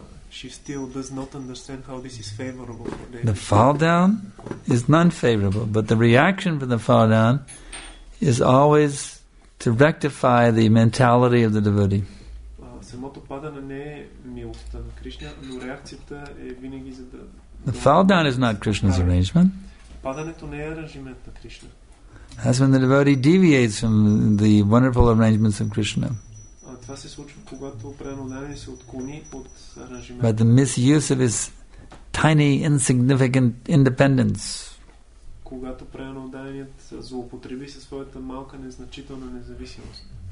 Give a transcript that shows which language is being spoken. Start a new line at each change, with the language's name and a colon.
English: She still does not understand how this is favorable for them. The fall down is not favorable, but the reaction for the fall down is always to rectify the mentality of the devotee.
Bulgarian: Самото падане не е милостта на Кришна, но реакцията е винаги за да...
English: The fall down is not Krishna's arrangement.
Bulgarian: Падането не е аранжимент на Кришна.
English: That's when the devotee deviates from the wonderful arrangements of Krishna.
Bulgarian: Това се случва, когато преднададен се отклони от аранжимента.
English: But the misuse of his tiny, insignificant independence.
Bulgarian: Когато преднаденият злоупотреби със своята малка, незначителна независимост.